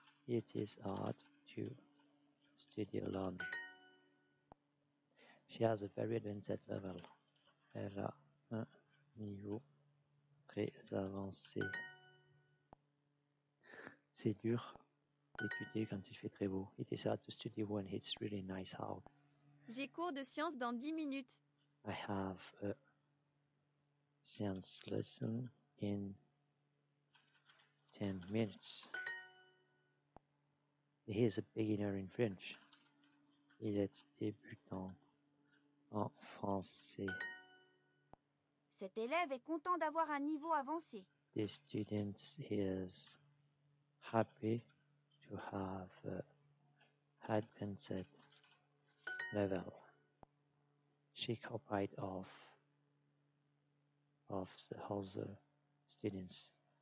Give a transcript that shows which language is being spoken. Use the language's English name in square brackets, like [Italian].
[English] It is hard to study alone. She has a very advanced level. [French] Elle a un niveau très avancé. C'est dur d'étudier quand il fait très beau. [English] It is hard to study when it's really nice out. [French] J'ai cours de science dans 10 minutes. [English] I have a science lesson in 10 minutes. He is a beginner in French. [French] Il est débutant en français. Cet élève est content d'avoir un niveau avancé. [English] This student is happy to have advanced level. She copied of the other students.